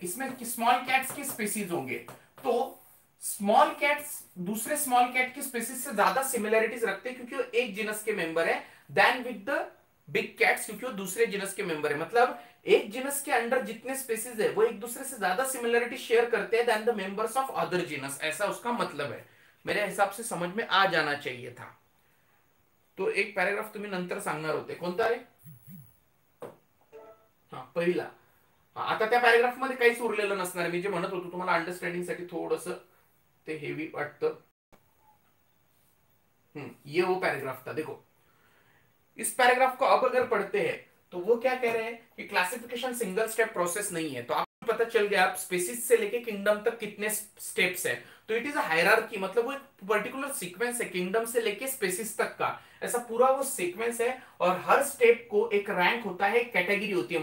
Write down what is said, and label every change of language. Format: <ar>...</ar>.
<hi>इसमें small cats की species होंगे, तो स्मॉल कैट्स दूसरे स्मॉल कैट की स्पेसीज से ज्यादा सिमिलैरिटीज रखते हैं, क्योंकि वो एक जीनस के मेंबर है,</hi> <en>then with the big cats,</en> <hi>क्योंकि वो दूसरे जीनस के मेंबर है। मतलब एक जीनस के अंडर जितने स्पेसीज है वो एक दूसरे से ज्यादा सिमिलैरिटी शेयर करते हैं</hi> <en>then the members of other genus,</en> <hi>ऐसा उसका मतलब है। मेरे हिसाब से समझ में आ जाना चाहिए था।</hi> <mr>तो एक पैराग्राफ तुम्हें नंतर सांगणार होते, कोणता रे? हाँ, पहिला। आता त्या पैराग्राफ मध्ये काहीच उरलेलं नसणार, मी जे म्हणत होतो तुम्हाला अंडरस्टँडिंग साठी थोडंसं ते हेवी वाटतं।</mr> <hi>ये वो पैराग्राफ था, देखो इस पैराग्राफ को अब अगर पढ़ते हैं तो वो क्या कह रहे हैं कि क्लासिफिकेशन सिंगल स्टेप प्रोसेस नहीं है। तो आपको पता चल गया आप स्पेसिस से लेके किंगडम तक कितने स्टेप्स हैं, तो</hi> <en>it is a hierarchy,</en> <hi>मतलब वो एक पर्टिकुलर सीक्वेंस है किंगडम से लेके स्पेसिस तक का, ऐसा पूरा वो सीक्वेंस है, और हर स्टेप को एक रैंक होता है, कैटेगरी होती है।</hi>